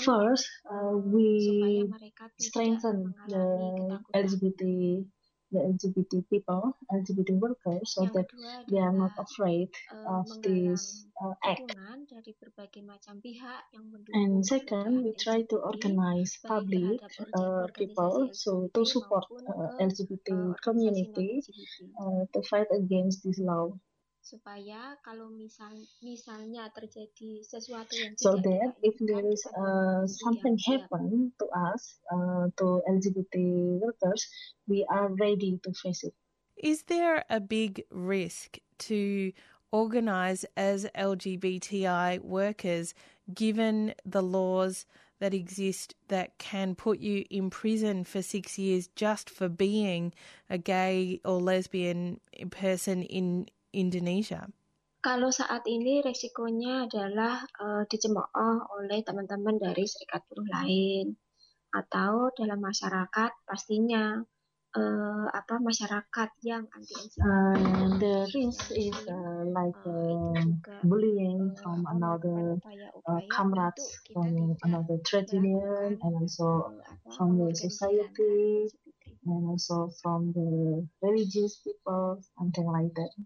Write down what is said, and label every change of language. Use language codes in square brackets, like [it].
[en] First, we strengthen the LGBT people, LGBT workers, so that they are not afraid of this act. [id] Dari berbagai macam pihak yang [en] And second, we try to organize public people to support LGBT community to fight against this law. [id] Supaya kalau misalnya terjadi sesuatu yang [en] so that if there is something happen to us to LGBT workers, we are ready to face it. Is there a big risk to organize as LGBTI workers given the laws that exist that can put you in prison for 6 years just for being a gay or lesbian person in Indonesia? [id] Kalau saat ini resikonya adalah dicemooh oleh teman-teman dari serikat buruh lain atau dalam masyarakat pastinya masyarakat yang anti [en] the risk is like bullying from another comrades from another trade union and also from the society and also from the religious people, something like that.